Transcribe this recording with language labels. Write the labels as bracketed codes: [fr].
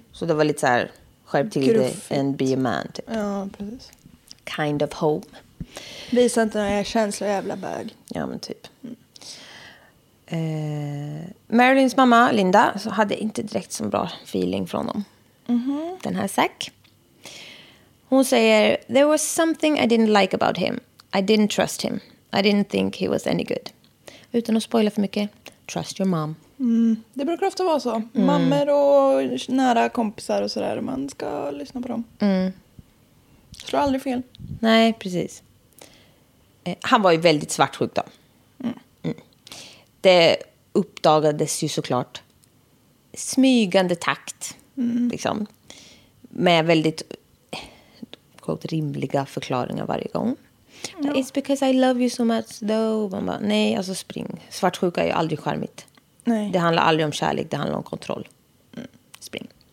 [sv] Så det var lite så här, skärp till dig [en] and be a man, [sv] typ. Ja, precis. [en] Kind of home. [sv] Visa inte några känslor, jävla bög. Ja, men typ. Mm. Marilyns mamma, Linda, så hade inte direkt så bra feeling från honom. Mm-hmm. Den här Zach. Hon säger, [en] there was something I didn't like about him. I didn't trust him. I didn't think he was any good. [sv] Utan att spoila för mycket. [en] Trust your mom. [sv] Mm. Det brukar ofta vara så. Mm. Mammor och nära kompisar och sådär. Man ska lyssna på dem. Mm. Slår aldrig fel. Nej, precis. Han var ju väldigt svartsjuk då. Mm. Mm. Det uppdagades ju såklart. Smygande takt. Mm. Liksom. Med väldigt quote, rimliga förklaringar varje gång. Ja. [en] It's because I love you so much though. [sv] Man bara, nej, alltså spring. Svartsjuka är ju aldrig charmigt. Nej. Det handlar aldrig om kärlek, det handlar om kontroll. Mm. Spring.